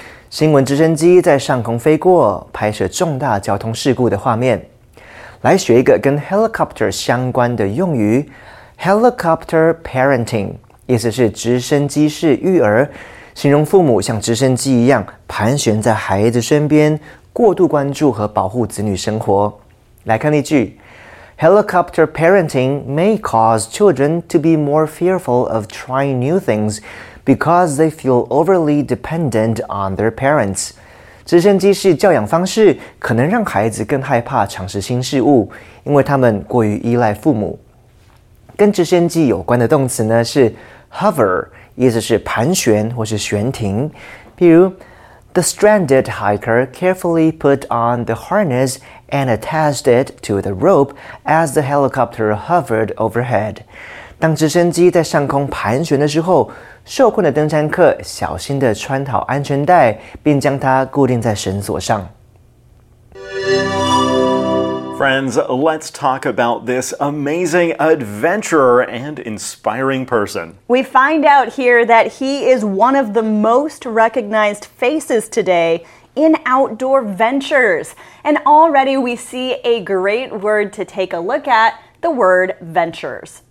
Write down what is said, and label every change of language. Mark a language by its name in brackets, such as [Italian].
[Chinese] 新闻直升机在上空飞过，拍摄重大交通事故的画面。来学一个跟 helicopter 相关的用语 ，helicopter parenting， 意思是直升机式育儿。形容父母像直升机一样盘旋在孩子身边，过度关注和保护子女生活。来看例句 [English] ，Helicopter parenting may cause children to be more fearful of trying new things because they feel overly dependent on their parents。 [Chinese] 直升机式教养方式可能让孩子更害怕尝试新事物，因为他们过于依赖父母。跟直升机有关的动词呢是 hover。意思是盘旋或是悬停，譬如 [English] ，The stranded hiker carefully put on the harness and attached it to the rope as the helicopter hovered overhead。 [Chinese] 当直升机在上空盘旋的时候，受困的登山客小心地穿好安全带，并将它固定在绳索上。 [English] Friends, let's talk about this amazing adventurer and inspiring person. We find out here that he is one of the most recognized faces today in outdoor ventures. And already we see a great word to take a look at, the word ventures.